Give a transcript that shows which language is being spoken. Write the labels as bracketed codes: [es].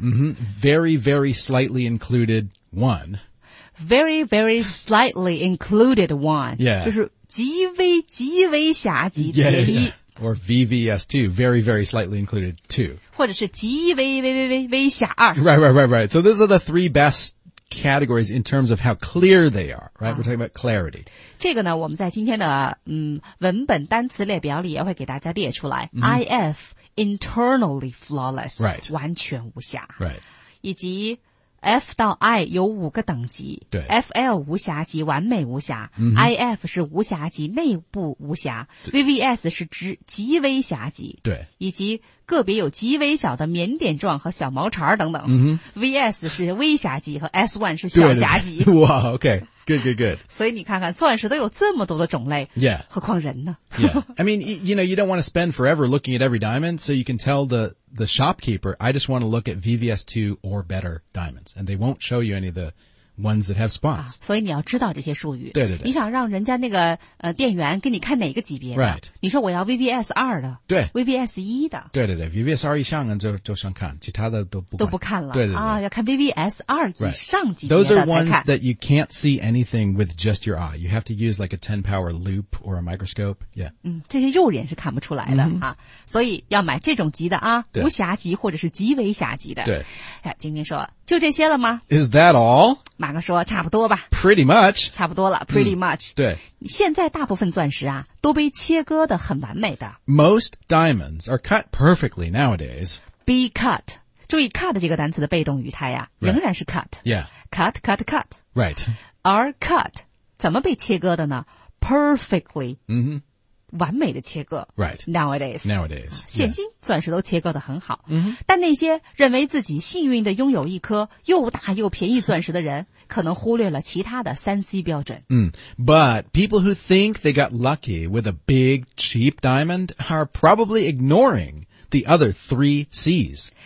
[en] Mm-hmm. Very, very slightly included one. Very, very slightly included one. Yeah. [zh] 就是极微极微瑕级别。 [en] Yeah, yeah, yeah. Or VVS2, very, very slightly included two. [zh] 或者是极微微微微微瑕二。 [en] Right, right, right, right. So those are the three bestcategories in terms of how clear they are, right? We're talking about clarity. [zh] 这个呢我们在今天的文本单词列表里也会给大家列出来、 mm-hmm. [en] IF, internally flawless, right. [zh] 完全无瑕 [en] right. [zh] 以及 F 到 I 有五个等级对 FL 无瑕级完美无瑕、 mm-hmm. IF 是无瑕级内部无瑕 VVS 是指极微瑕级对以及个别有极微小的棉点状和小毛茬等等、 mm-hmm. VS 是微瑕级和 S1 是小瑕级 [en] 哇、wow, OK good good good [zh] 所以你看看钻石都有这么多的种类 [en] yeah [zh] 何况人呢 [en] yeah I mean you know you don't want to spend forever looking at every diamond so you can tell the shopkeeper I just want to look at VVS2 or better diamonds and they won't show you any of the ones that have spots. [zh] 所以你要知道这些术语。对对对。你想让人家那个店员给你看哪个级别的。 [en] Right. [zh] 你说我要 VVS2 的。对。 VVS1 的。对对对。VVS2 以上的就想看。其他的都不看。都不看了。对对对。啊要看 VVS2 以上级别的。 [en] Those are ones that you can't see anything with just your eye. You have to use like a 10 power loop or a microscope. Yeah. [zh] 这些肉眼是看不出来的。所以要买这种级的啊。无瑕级或者是极为瑕级的。对。哎晶晶说就这些了吗 [en] ?Is that all? [zh] 马哥说差不多吧 [en] Pretty much [zh] 差不多了 [en] Pretty much [zh] 对现在大部分钻石啊都被切割得很完美的 [en] Most diamonds are cut perfectly nowadays [zh] Be cut 注意 cut 这个单词的被动语态啊仍然是 cut、 [en] right. Yeah Cut cut cut Right [zh] Are cut 怎么被切割的呢 Perfectly、 mm-hmm. 完美的切割 [en] Right Nowadays Nowadays [zh] 现今、 [en] yes. [zh] 钻石都切割得很好、 mm-hmm. 但那些认为自己幸运地拥有一颗又大又便宜钻石的人可能忽略了其他的 3C 标准。 [en] But people who think they got lucky with a big, cheap diamond are probably ignoring the other three Cs.